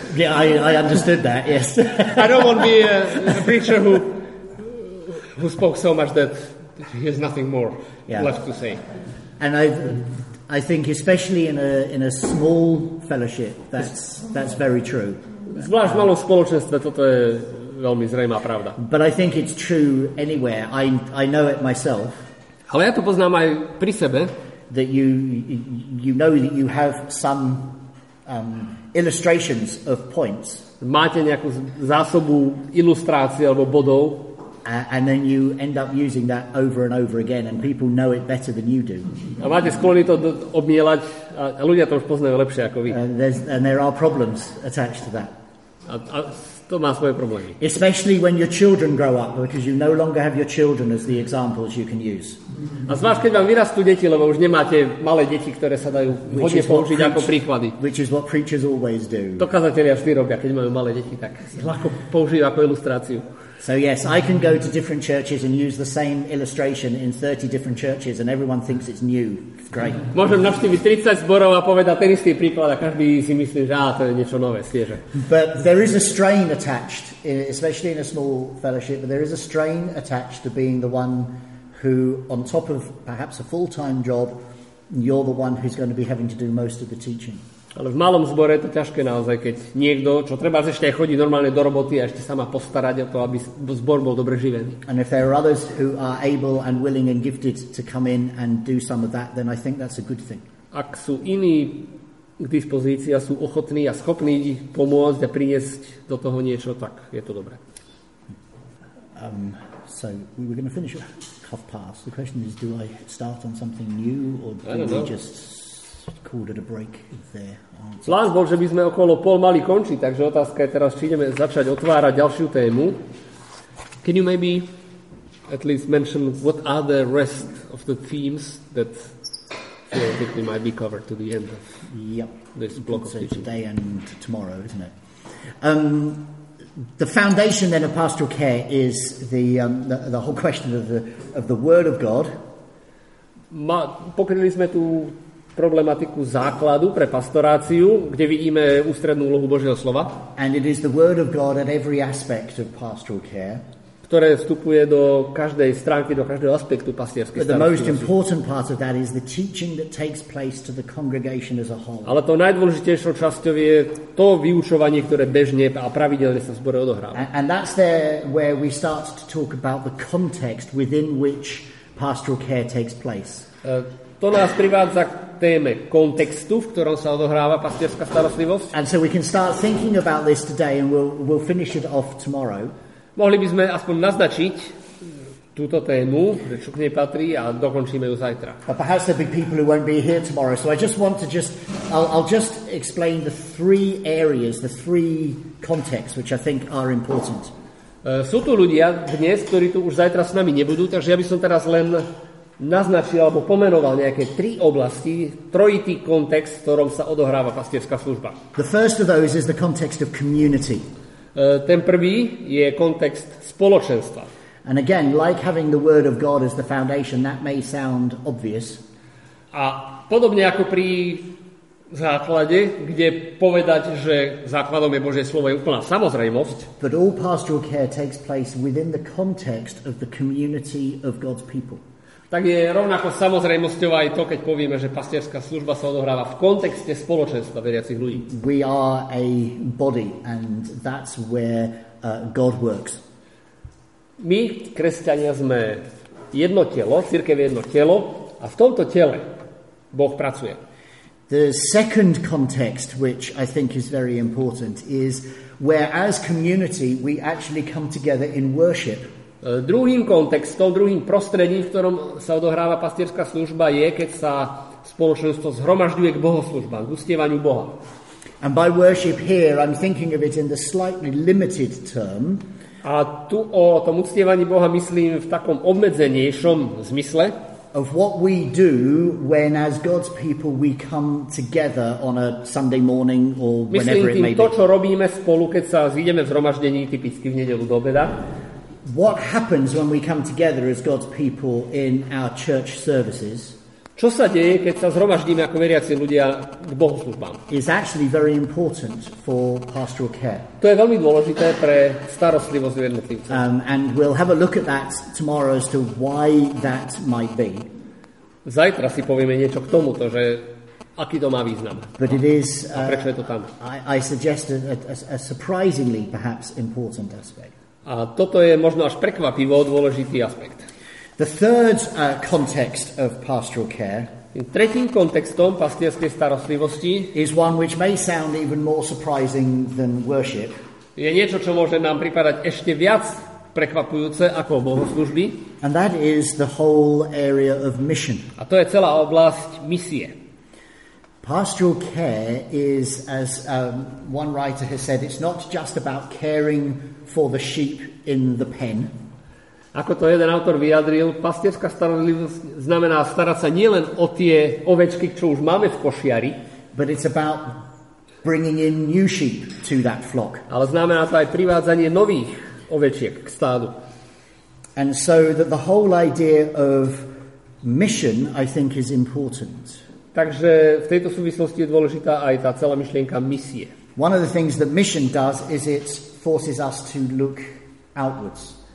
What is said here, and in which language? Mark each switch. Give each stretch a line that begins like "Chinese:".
English: Yeah, I understood that, yes. I don't want to be a preacher who spoke so much that he has nothing more left to say. And I think especially in a small fellowship, that's very true.
Slovak: Zvlášť v malom spoločenstve toto je veľmi zrejmá pravda.
English: But I think it's true anywhere. I know it myself.
Slovak: Ale ja to poznám aj pri sebe.
English: That you know that you have some illustrations of points.
Slovak: Máte nejakú zásobu ilustrácií alebo bodov.
English: And then you end up using that over and over again, and people know it better than you do.
Slovak: A máte sklony to obmielať, a ľudia to už poznajú lepšie ako vy.
English: And there are problems attached to that.
Slovak: A to má svoje problémy.
English: Especially when your children grow up, because you no longer have your children as the examples you can use.
Slovak: A zvlášť, keď vám vyrastú deti, lebo už nemáte malé deti, ktoré sa dajú hodne použiť ako príklady.
English: Which is what preachers always do.
Slovak: To kazatelia vždy robia, keď majú malé deti, tak ľahko použijú ako ilustráciu.
English: So yes, I can go to different churches and use the same illustration in 30 different churches and everyone thinks it's new. It's great.
Slovak: Môžem navštíviť 30 zborov a povedať ten istý príklad a každý si myslí, že to je niečo nové, svieže.
English: But there is a strain attached, especially in a small fellowship, but there is a strain attached to being the one who, on top of perhaps a full-time job, you're the one who's going to be having to do most of the teaching.
Slovak: Ale v malom zbore je to ťažké naozaj, keď niekto, čo treba ešte aj chodiť normálne do roboty a ešte sa má postarať o to, aby zbor bol dobre živený.
English: And if there are others who are able and willing and gifted to come in and do some of that, then I think that's a good thing.
Slovak: Ak sú iní k dispozícii a sú ochotní a schopní pomôcť a priniesť do toho niečo, tak je to dobré.
English: So we were going to finish at half past. The question is, do I start on something new or do we just... called it a break there.
Slovak: Plán bol, že by sme okolo pol mali končiť, takže otázka je teraz, či ideme začať otvárať ďalšiu tému.
English: Can you maybe at least mention what are the rest of the themes that theoretically might be covered to the end of this block of teaching? So today and tomorrow, isn't it? The foundation then of pastoral care is the whole question of the word of God.
Slovak: Pokryli sme tu problematiku základu pre pastoráciu, kde vidíme ústrednú úlohu Božieho slova.
English: And it is the word of God at every aspect of pastoral care.
Slovak: Ktoré vstupuje do každej stránky, do každého aspektu pastierskej starostlivosti.
English: The most important part of that is the teaching that takes place to the congregation as a whole.
Slovak: Ale to najdôležitejšou časťou je to vyučovanie, ktoré bežne a pravidelne sa v zbore odohráva.
English: And that's there where we start to talk about the context within which pastoral care takes place.
Slovak: To nás privádza k téme kontextu, v ktorom sa odohráva pastierska starostlivosť.
English: And so we can start thinking about this today and we'll finish it off tomorrow.
Slovak: Mohli by sme aspoň naznačiť túto tému, čo k nej patrí a dokončíme ju zajtra.
English: But perhaps there'll be people who won't be here tomorrow, so I just want to just I'll just explain the three areas, the three contexts which I think are important.
Slovak: Sú tu ľudia dnes, ktorí tu už zajtra s nami nebudú, takže ja by som teraz len naznačil alebo pomenoval nejaké tri oblasti, trojitý kontext, v ktorom sa odohráva pastierska služba.
English: The first of those is the context of community.
Slovak: Ten prvý je kontext spoločenstva.
English: And again, like having the word of God as the foundation, that may sound obvious.
Slovak: A podobne ako pri základe, kde povedať, že základom je Božie slovo, je úplná samozrejmosť.
English: But all pastoral care takes place within the context of the community of God's people.
Slovak: Tak je rovnako samozrejmosťou aj to, keď povieme, že pastierska služba sa odohráva v kontexte spoločenstva veriacich ľudí.
English: We are a body and that's where God works.
Slovak: My, kresťania, sme jedno telo, cirkev je jedno telo a v tomto tele Boh pracuje.
English: The second context, which I think is very important, is where as community we actually come together in worship.
Slovak: Druhým kontextom, druhým prostredím, v ktorom sa odohráva pastierska služba, je, keď sa spoločenstvo zhromažďuje k bohoslužbám, k uctievaniu Boha.
English: And by worship here, I'm thinking of it in the slightly limited term.
Slovak: A tu o tom uctievaní Boha myslím v takom obmedzenejšom zmysle.
English: Of what we do when as God's people we come together on a Sunday morning or whenever
Slovak: myslím
English: it may be.
Slovak: To, čo robíme spolu, keď sa zídeme v zhromaždení, typicky v nedeľu do obeda.
English: What happens when we come together as God's people in our church services?
Slovak: Čo sa deje, keď sa zhromaždíme ako veriaci ľudia k bohoslužbám?
English: Is actually very important for pastoral care.
Slovak: To je veľmi dôležité pre starostlivosť jednotlivca.
English: And we'll have a look at that tomorrow as to why that might be.
Slovak: Zajtra si povieme niečo k tomu, že aký to má význam.
English: But it is,
Slovak: a prečo je to tam?
English: I suggest a surprisingly perhaps important aspect.
Slovak: A toto je možno až prekvapivo dôležitý aspekt.
English: The third context of pastoral care
Slovak: tretím kontextom pastierskej starostlivosti
English: is one which may sound even more surprising than worship.
Slovak: Je niečo, čo môže nám pripadať ešte viac prekvapujúce ako bohoslužby.
English: And that is the whole area of mission.
Slovak: A to je celá oblasť misie.
English: Pastoral care is, as one writer has said, it's not just about caring for the sheep in the pen.
Slovak: Ako to jeden autor vyjadril, pastierska starostlivosť znamená starať sa nielen o tie ovečky, čo už máme v košiari,
English: but it's about bringing in new sheep to that flock.
Slovak: Ale znamená to aj privádzanie nových ovečiek k stádu.
English: And so that the whole idea of mission, I think, is important.
Slovak: Takže v tejto súvislosti je dôležitá aj tá celá myšlienka misie.
English: One of the things that mission does is it forces us to look outwards.